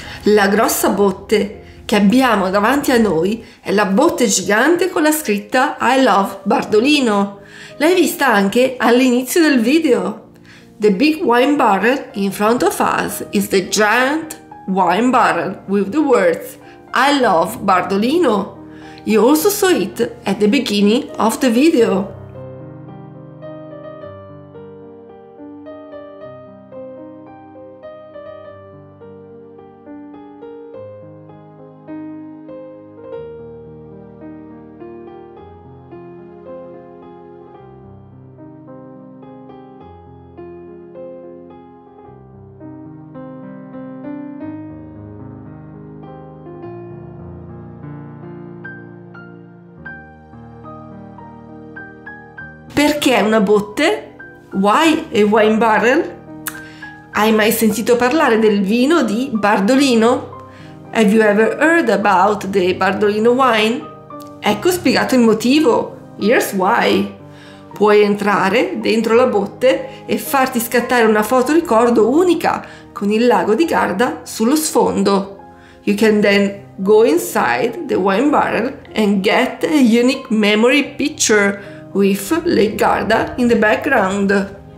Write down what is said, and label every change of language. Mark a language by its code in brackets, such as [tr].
[it] La grossa botte che abbiamo davanti a noi è la botte gigante con la scritta I love Bardolino. L'hai vista anche all'inizio del video. [en] The big wine barrel in front of us is the giant wine barrel with the words I love Bardolino. You also saw it at the beginning of the video. [it] Perché una botte? [en] Why a wine barrel? [it] Hai mai sentito parlare del vino di Bardolino? [en] Have you ever heard about the Bardolino wine? [it] Ecco spiegato il motivo. [en] Here's why. [it] Puoi entrare dentro la botte e farti scattare una foto ricordo unica con il lago di Garda sullo sfondo. [en] You can then go inside the wine barrel and get a unique memory picture with Lake Garda in the background.